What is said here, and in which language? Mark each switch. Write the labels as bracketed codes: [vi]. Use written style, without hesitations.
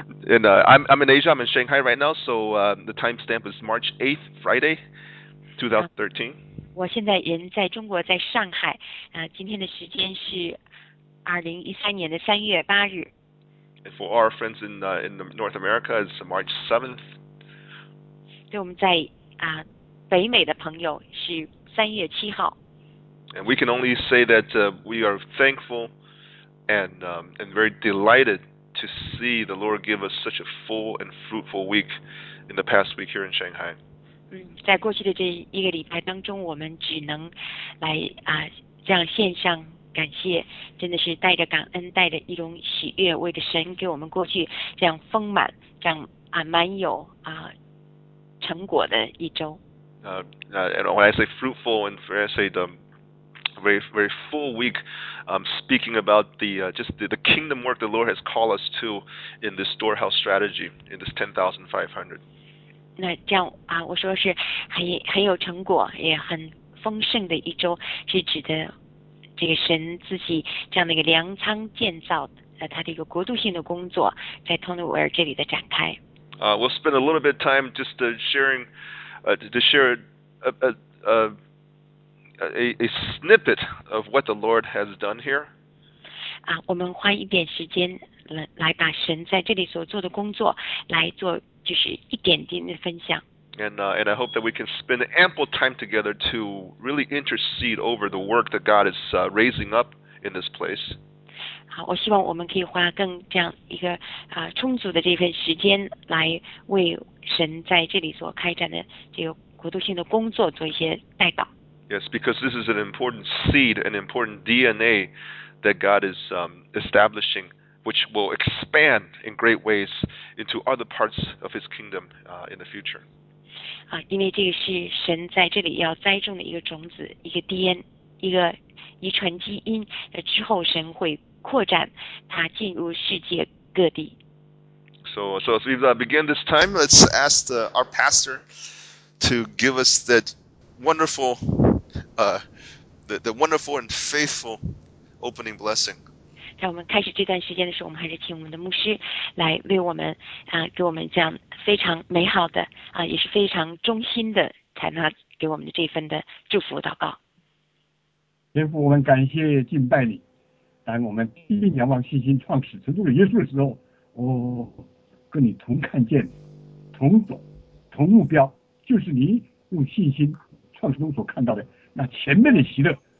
[en] And I'm in Asia. I'm in Shanghai right now. So the timestamp is March 8th, Friday, 2013. [zh] 我现在人在中国，在上海。今天的时间是2013年的3月8日。 [en] And for our friends in North America, it's March 7th. [zh] 对，我们在北美的朋友是3月7号。 [en] And we can only say that we are thankful and very delighted to see the Lord give us such a full and fruitful week in the past week here in Shanghai. [zh] 在过去的这一个礼拜当中，我们只能来这样献上感谢，真的是带着感恩，带着一种喜悦，为着神给我们过去这样丰满，这样蛮有成果的一周。 [en] When I say fruitful and when I say the very very full week, speaking about the kingdom work the Lord has called us to in this storehouse strategy in this 10,500. [zh] 那这样我说是很有成果，也很丰盛的一周，是指的。这个神自己这样的一个粮仓建造，他的一个国度性的工作，在托努维尔这里的展开。 [en] We'll spend a little bit of time just sharing, to share a snippet of what the Lord has done here. [zh] 我们花一点时间来把神在这里所做的工作来做，就是一点点的分享。 [en] And I hope that we can spend ample time together to really intercede over the work that God is raising up in this place. [zh] 好，我希望我们可以花更这样一个充足的这份时间来为神在这里所开展的这个国度性的工作做一些代祷。 [en] Yes, because this is an important seed, an important DNA that God is establishing, which will expand in great ways into other parts of His kingdom in the future. [zh] 因为这个是神在这里要栽种的一个种子，一个 DNA， 一个遗传基因，之后神会扩展它进入世界各地。 [en] So as we begin this time, let's ask our pastor to give us that wonderful, the wonderful and faithful opening blessing. [zh] 在我们开始这段时间的时候，我们还是请我们的牧师来为我们给我们这样非常美好的也是非常忠心的采纳给我们的这份的祝福祷告。天父，我们感谢敬拜你，当我们第一仰望信心创始成就的耶稣的时候，我跟你同看见，同走，同目标，就是你用信心创始中所看到的那前面的喜乐，